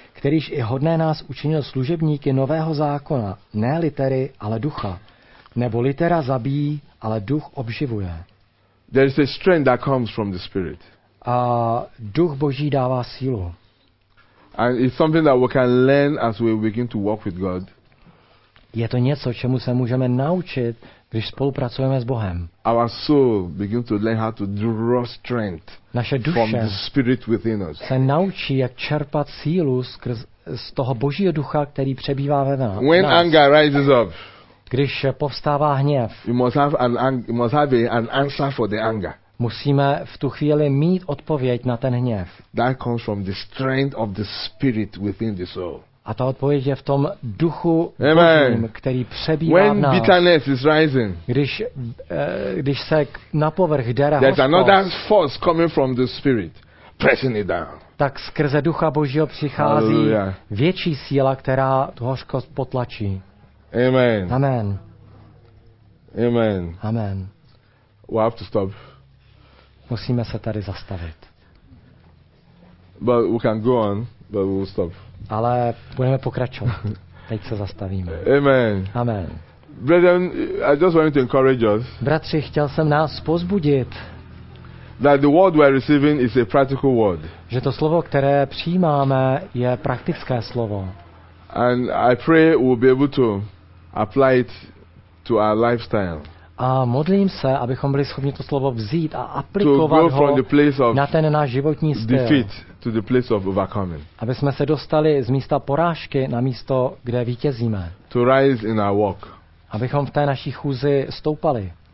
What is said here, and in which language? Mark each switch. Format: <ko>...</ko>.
<cs>Kterýž je hodné nás učinil služebníky nového zákona, ne litery, ale ducha. Nebo litera zabíjí, ale duch obživuje.</cs> <en>There is a strength that comes from the Spirit.</en> <cs>A duch Boží dává sílu.</cs> <en>And it's something that we can learn as we begin to walk with God.</en> <cs>Je to něco, čemu se můžeme naučit, když spolupracujeme s Bohem.</cs> <en>Our soul begins to learn how to draw strength from the Spirit within us.</en> <cs>Se naučí, jak čerpat sílu z toho Božího ducha, který přebývá ve nás.</cs> <en>When anger rises up,</en> <cs>když povstává hněv,</cs> <en>you must have an answer for the anger.</en> <cs>Musíme v tu chvíli mít odpověď na ten hněv.</cs> <en>That comes from the strength of the Spirit within the soul.</en> <cs>A ta odpověď je v tom duchu, Božím, který přebývá</cs> <en>when</en> <cs>v nás.</cs> <en>Bitterness is rising,</en> <cs>když se na povrch dera hospod,</cs> <en>there's another force coming from the Spirit, pressing it down.</en> <cs>Tak skrze ducha Božího přichází větší síla, která tu hořkost potlačí.</cs> <en>Amen.</en> <cs>Amen.</cs> <en>Amen.</en> <cs>Amen.</cs> <en>We have to stop.</en> <cs>Musíme se tady zastavit.</cs> <en>But we can go on, but we'll stop.</en> <cs>Ale budeme pokračovat. Teď se zastavíme.</cs> <en>Amen.</en> <cs>Amen.</cs> <en>Brethren, I just want to encourage us.</en> <cs>Bratři, chtěl jsem nás pozbudit.</cs> <en>That the word we are receiving is a practical word.</en> <cs>Že to slovo, které přijímáme, je praktické slovo.</cs> <en>And I pray we'll be able to apply it to our lifestyle.</en> <cs>A modlím se, abychom byli schopni to slovo vzít a aplikovat ho na ten náš životní styl.</cs> <en>To the place of overcoming.</en> <cs>Aby jsme se dostali z místa porážky na místo, kde vítězíme.</cs> <en>To rise in our walk.</en> <cs>Abychom v té naší chůzi stoupali.</cs>